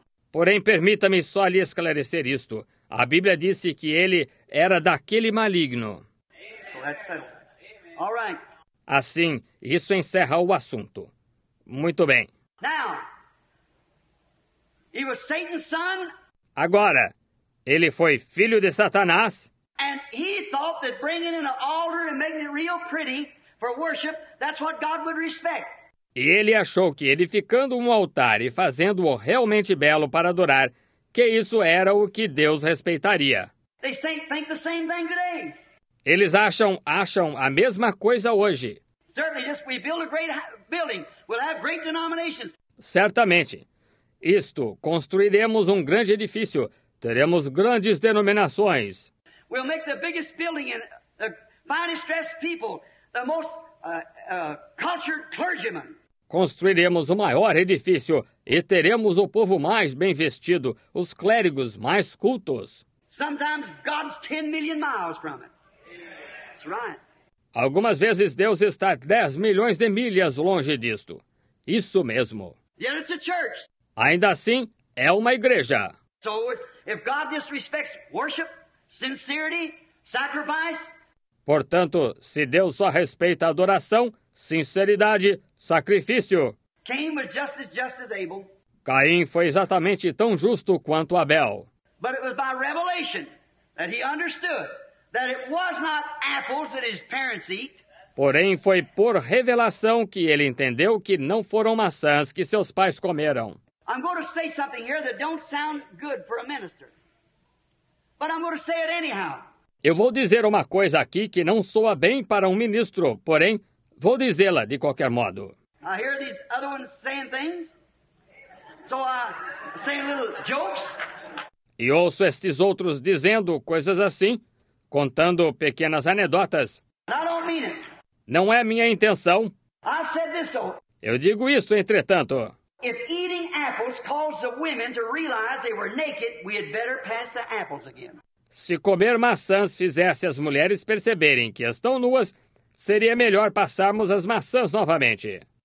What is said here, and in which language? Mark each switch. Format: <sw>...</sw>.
<pt>Porém, permita-me só lhe esclarecer isto. A Bíblia disse que ele era daquele maligno.</pt> <en>So that's settled. All right.</en> <pt>Assim, isso encerra o assunto. Muito bem.</pt> <en>Now, he was Satan's son.</en> <pt>Agora, ele foi filho de Satanás.</pt> <en>And he thought that bringing in an altar and making it real pretty for worship, that's what God would respect.</en> <pt>E ele achou que edificando um altar e fazendo-o realmente belo para adorar, que isso era o que Deus respeitaria.</pt> <en>They think the same thing today.</en> <pt>Eles acham a mesma coisa hoje.</pt> <en>Certainly, just we build a great building, we'll have great denominations.</en> <pt>Certamente. Isto, construiremos um grande edifício. Teremos grandes denominações.</pt> <en>We'll make the biggest building and the finest dressed people, the most cultured clergymen.</en> <pt>Construiremos o maior edifício e teremos o povo mais bem vestido, os clérigos mais cultos.</pt> <en>Sometimes God's 10 million miles from it. That's right.</en> <pt>Algumas vezes Deus está 10 milhões de milhas longe disto. Isso mesmo.</pt> <en>Yet it's a church.</en> <pt>Ainda assim, é uma igreja.</pt> <en>So, if God disrespects worship, sincerity, sacrifice,</en> <pt>portanto, se Deus só respeita a adoração, sinceridade, sacrifício.</pt> <en>Cain was just as Abel.</en> <pt>Caim foi exatamente tão justo quanto Abel.</pt> <en>But it was by revelation that he understood that it was not apples that his parents eat.</en> <pt>Porém, foi por revelação que ele entendeu que não foram maçãs que seus pais comeram.</pt> <en>I'm going to say something here that don't sound good for a minister. But I'm going to say it anyhow.</en> <pt>Eu vou dizer uma coisa aqui que não soa bem para um ministro, porém, vou dizê-la de qualquer modo.</pt> <en>I hear these other ones saying things. So I say little jokes.</en> <pt>E ouço estes outros dizendo coisas assim, contando pequenas anedotas.</pt> <en>I don't mean it.</en> <pt>Não é minha intenção.</pt> <en>I said this, so.</en> <pt>Eu digo isto, entretanto.</pt> <en>If eating apples caused the women to realize they were naked, we had better pass the apples again.</en> <pt>Se comer maçãs fizesse as mulheres perceberem que estão nuas, seria melhor passarmos as maçãs novamente.</pt>